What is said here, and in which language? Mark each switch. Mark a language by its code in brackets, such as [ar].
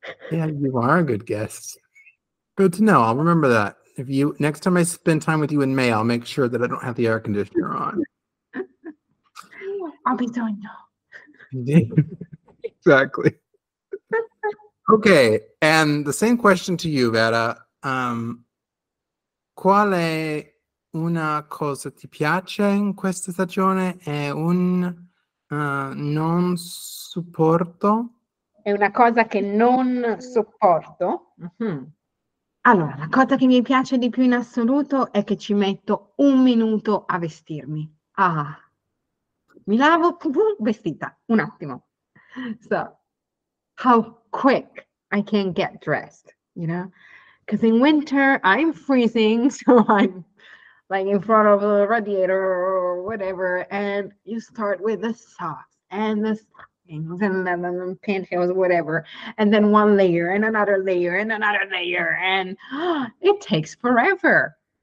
[en] Yeah, you are a good guest. Good to know. I'll remember that. If you next time I spend time with you in May, I'll make sure that I don't have the air conditioner on. I'll be doing Exactly. Okay, and the same question to you, Vera. [it] Quale una cosa ti piace in questa stagione è un non supporto? È una cosa che non sopporto. Allora, la cosa che mi piace di più in assoluto è che ci metto un minuto a vestirmi. Ah, mi lavo, vestita, un attimo. [en] So, how quick I can get dressed, you know? Because in winter I'm freezing, so I'm like in front of the radiator or whatever, and you start with the socks and the and pantyhose, whatever, and then one layer and another layer and another layer, and it takes forever.